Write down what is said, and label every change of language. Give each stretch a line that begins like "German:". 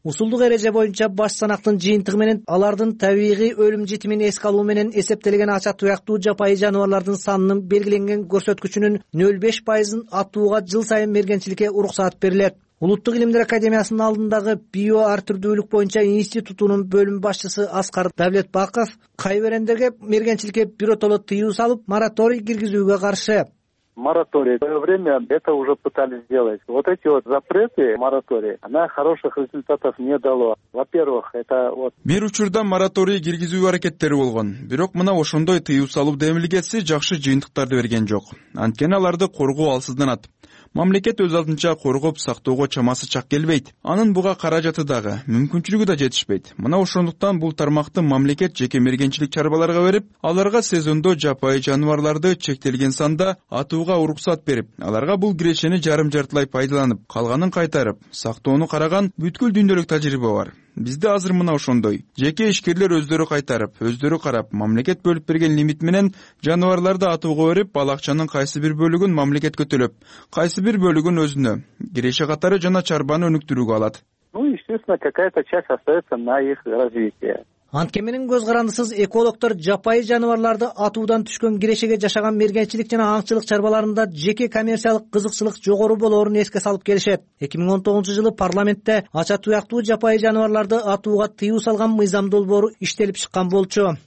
Kyrgyz: Усулдук эреже боюнча баш санактын жыйынтыгы менен алардын табигый өлүм житимин эске алуу менен эсептелген ача туяктуу жапайы жаныбарлардын санын белгиленген көрсөткүчүнүн 0.5% атууга жыл сайын мергенчиликке уруксат берилет. Улуттук илимдер академиясынын алдындагы био ар түрдүүлүк боюнча институтунун бөлүм башчысы Аскар Давлетбаков кайберендерге мергенчиликке биротоло тыюу салып мораторий киргизүүгө каршы.
Russian: Мораторий. В свое время это уже пытались сделать. Вот эти вот запреты, мораторий, она хороших результатов не дало. Во-первых, это вот...
Kyrgyz: Бир учурда мораторий киргизүү аракеттери болгон. Бирок мына ошондой тыюу салуу демилгеси жакшы жыйынтыктарды берген жок. Анткени аларды коргоо алсызданат. Мамлекет өз алдынча коргоп сактоого чамасы чак келбейт. Анын буга каражаты дагы, мүмкүнчүлүгү да жетишпейт. Мына ошондуктан бул тармакты мамлекет жеке мергенчилик чарбаларга берип, аларга сезондо жапайы жаныбарларды чектелген санда атууга уруксат берип, аларга бул кирешени жарым-жартылай пайдаланып, калганын кайтарып, сактоону караган бүткүл дүйнөлүк тажрыйба бар. Бизде азыр мына ошондой. Жеке ишкерлер өздөрү кайтарып, өздөрү карап, мамлекет бөлүп берген лимит менен жаныбарларды атууга берип, ал акчанын кайсы бир бөлүгүн мамлекетке төлөп, кайсы бир бөлүгүн өзүнө, киреше катары жана чарбаны өнүктүрүүгө алат.
Russian: Ну, естественно, какая-то часть остается на их развитие.
Kyrgyz: Анткеминин көз карандысыз экологтор жапайы жаныбарларды атуудан түшкөн кирешеге жашаган мергенчилик жана аңчылык чарбаларында жеке коммерциялык кызыкчылык жогору болорун эске салып келишет. 2019-жылы парламентте ача туяктуу жапайы жаныбарларды атууга тыюу салган мыйзам долбоору иштелип чыккан болчу.